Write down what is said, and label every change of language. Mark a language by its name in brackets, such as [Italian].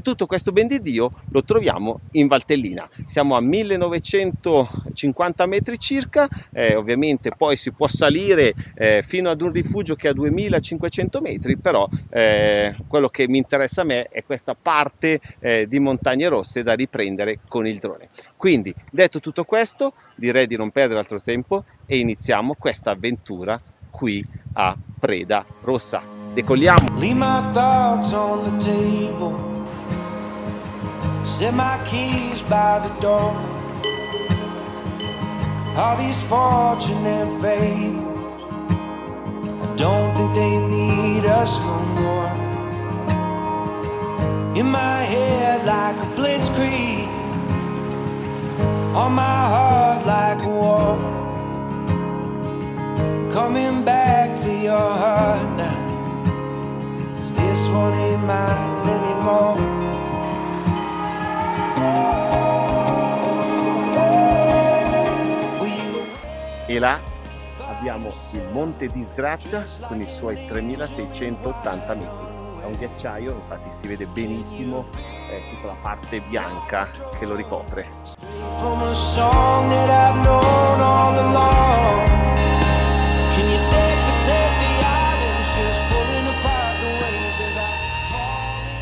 [Italian] E tutto questo ben di Dio lo troviamo in Valtellina. Siamo a 1950 metri circa, ovviamente poi si può salire fino ad un rifugio che è a 2500 metri, però quello che mi interessa a me è questa parte di Montagne Rosse da riprendere con il drone. Quindi, detto tutto questo, direi di non perdere altro tempo e iniziamo questa avventura qui a Preda Rossa. Decolliamo! [English] Leave my thoughts on the table. Set my keys by the door. All these fortune and fame. I don't think they need us no more. In my head like a blitzkrieg. On my heart like war. Coming back for your heart now. 'Cause this one ain't mine anymore. [Italian] E là abbiamo il Monte Disgrazia con i suoi 3680 metri. È un ghiacciaio, infatti si vede benissimo tutta la parte bianca che lo ricopre. [English] From a song that I've known all along. Can you take the islands just pulling apart the waves as I fall?